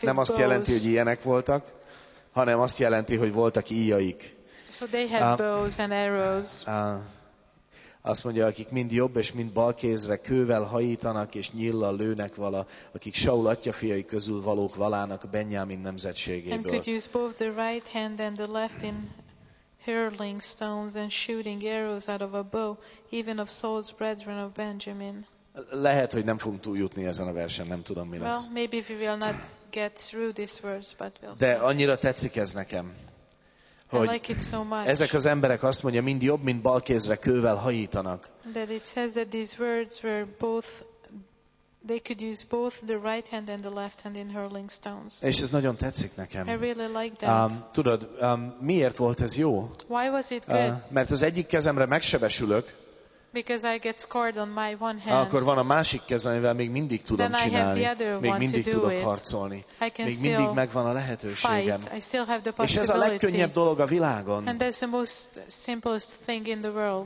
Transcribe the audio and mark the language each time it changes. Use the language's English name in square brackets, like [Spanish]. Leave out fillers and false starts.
[Hungarian] Nem azt jelenti, hogy ilyenek voltak, hanem azt jelenti, hogy voltak íjaik. [English] So they had bows and arrows. [Hungarian] Azt mondja, akik mind jobb és mind bal kézre kővel hajítanak és nyillal lőnek vala, akik Saul atyafiai közül valók valának Benjamin nemzetségéből. [English] And could use both the right hand and the left in hurling stones and shooting arrows out of a bow, even of Saul's brethren of Benjamin. [Hungarian] Lehet, hogy nem fogunk túljutni ezen a versen, nem tudom mi lesz. [English] Well, maybe we will not get through this verse, but we'll [Hungarian] de annyira tetszik ez nekem, hogy [English] like it so much. [Hungarian] Ezek az emberek azt mondja, mind jobb, mind bal kézre kővel hajítanak. [English] That it says that these words were both, they could use both the right hand and the left hand in hurling stones. [Hungarian] És ez nagyon tetszik nekem. [English] I really like that. [Hungarian] Tudod, miért volt ez jó? [English] Why was it good? [Hungarian] Mert az egyik kezemre megsebesülök. [English] Because I get scored on my one hand. [Hungarian] Akkor van a másik kezem, amivel még mindig tudom csinálni. Még mindig tudok harcolni. Még mindig megvan a lehetőségem. [English] I still have the possibility. [Hungarian] És ez a legkönnyebb dolog a világon. [English] And that's the most simplest thing in the world.